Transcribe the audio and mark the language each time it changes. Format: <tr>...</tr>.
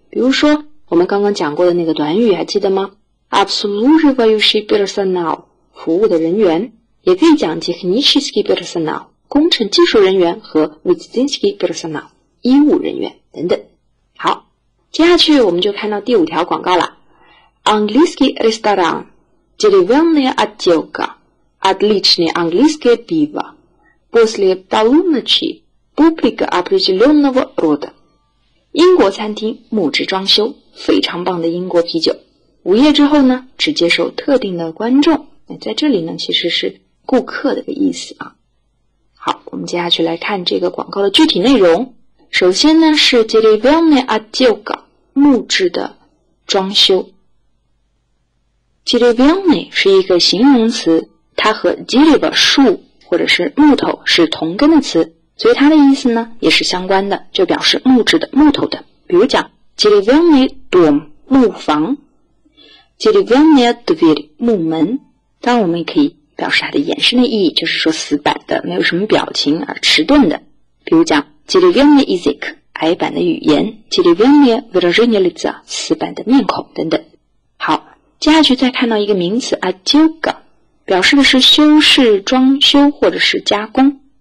<zh>比如说我们刚刚讲过的那个短语还记得吗？</zh> <ru>обслуживающий персонал，</ru> <zh>服务的人员。也可以讲</zh> <ru>технический персонал，</ru> <zh>工程技术人员和</zh> <ru>медицинский персонал，</ru> <zh>医务人员等等。好，接下去我们就看到第五条广告了。</zh> <ru>английский ресторан деревянная отделка отличный английский пиво после полуночи публика определенного рода</ru> <zh>英国餐厅木质装修，非常棒的英国啤酒，午夜之后呢只接受特定的观众，在这里呢其实是顾客的意思啊。好，我们接下去来看这个广告的具体内容。首先呢是</zh> <ru>деревянная отделка</ru> <zh>木质的装修。 деревянная 是一个形容词，它和 дерево 树或者是木头是同根的词，所以它的意思呢也是相关的，就表示木质的、木头的。比如讲</zh> <ru>деревянный дом</ru> <zh>木房，</zh> <ru>деревянная дверь</ru> <zh>木门。当然我们也可以表示它的延伸的意义，就是说死板的、没有什么表情而迟钝的。比如讲</zh> <ru>деревянный язык</ru> <zh>矮板的语言，</zh> <ru>деревянное выражение лица</ru> <zh>死板的面孔等等。好，接下去再看到一个名词 отделка， 表示的是修饰、装修或者是加工。</zh>